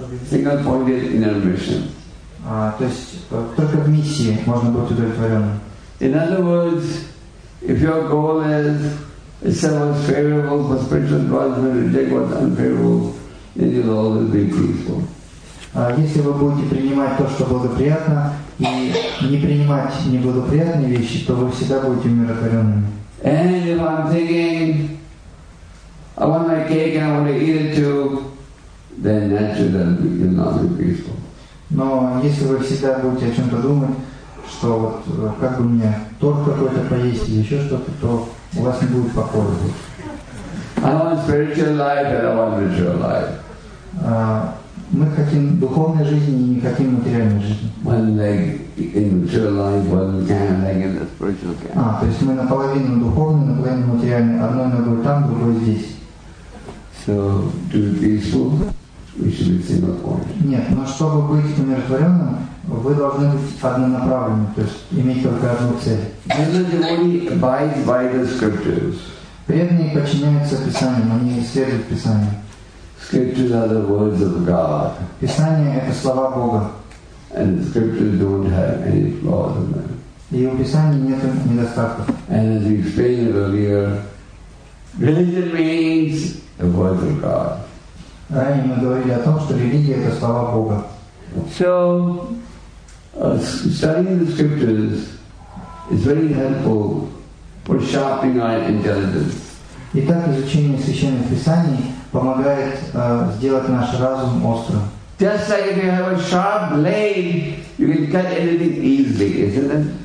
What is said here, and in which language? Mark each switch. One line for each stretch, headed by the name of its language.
English: single-pointed in your mission.
Russian: То есть только в миссии можно быть удовлетворенным.
English: In other words, if your goal is to sell what's favorable for spiritual advancement and reject what's unfavorable, then you'll always be peaceful.
Russian: Если вы будете принимать то, что благоприятно, и не принимать неблагоприятные вещи, то вы всегда будете умиротворенными.
English: And if I'm thinking, I want my cake and I want to eat it too, then naturally you'll not be peaceful.
Russian: Но если вы всегда будете о чем-то думать, что вот как бы мне торт какой-то поесть или еще что-то, то у вас не будет покоя.
English: I want spiritual life and I want material life.
Russian: Мы хотим духовной жизни и не хотим материальной жизни.
English: One leg in material life, one leg in the spiritual camp.
Russian: А, то есть мы наполовину духовной, наполовину материальной. Одной ногой там, другой здесь.
English: So, to be peaceful, we should be single-pointed.
Russian: Нет, но чтобы быть умиротворенным, вы должны быть однонаправленным, то есть иметь только одну цель.
English: And the devotee abides by the scriptures.
Russian: Преданные подчиняются Писаниям, они следуют Писаниям.
English: Scriptures are the words of God.
Russian: Писание — это слова Бога.
English: And the scriptures don't have any flaws in them.
Russian: И у Писания нет недостатков.
English: And as we explained earlier, religion means the words of God.
Russian: Ранее мы говорили о том, что религия — это слова Бога.
English: So, studying the scriptures is very helpful for sharpening our intelligence.
Russian: Итак, изучение Священных Писаний помогает сделать наш разум острым.
English: Just like if you have a sharp blade, you can cut anything easily, isn't it?